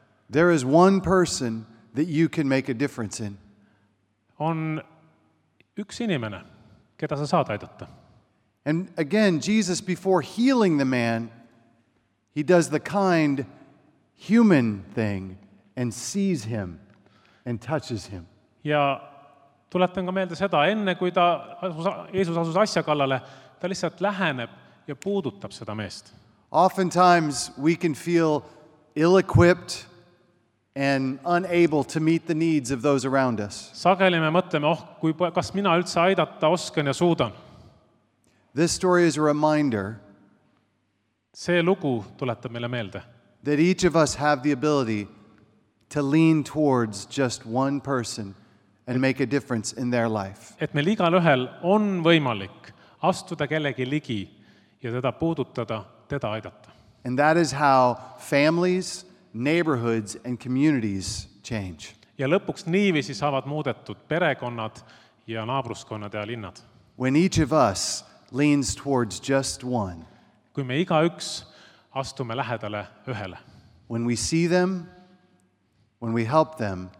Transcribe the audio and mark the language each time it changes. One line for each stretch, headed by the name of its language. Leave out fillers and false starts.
English: There is one person that you can make a difference in.
Estonian: On üks inimene, keda sa saad aidata.
English: And again, Jesus, before healing the man, he does the kind human thing and sees him and touches him.
Estonian: Ja tuletan ka meelde seda, enne kui ta Jeesus asus asja kallale, ta lihtsalt läheneb ja puudutab seda meest.
English: Oftentimes we can feel ill-equipped and unable to meet the needs of those around us.
Estonian: Sageli me mõtleme, oh, kui kas mina üldse aidata oskan ja suudan.
English: This story is a reminder.
Estonian: See lugu tuletab meile meelde.
English: That each of us have the ability to lean towards just one person and make a difference in their life.
Estonian: Et meil igal ühel on võimalik astuda kellegi ligi ja teda puudutada, teda aidata.
English: And that is how families, neighborhoods and communities change.
Estonian: Ja lõpuks niivisi saavad muudetud perekonnad ja naabruskonnad ja linnad.
English: When each of us leans towards just one.
Estonian: Kui me iga üks astume lähedale ühele.
English: When we see them, when we help them.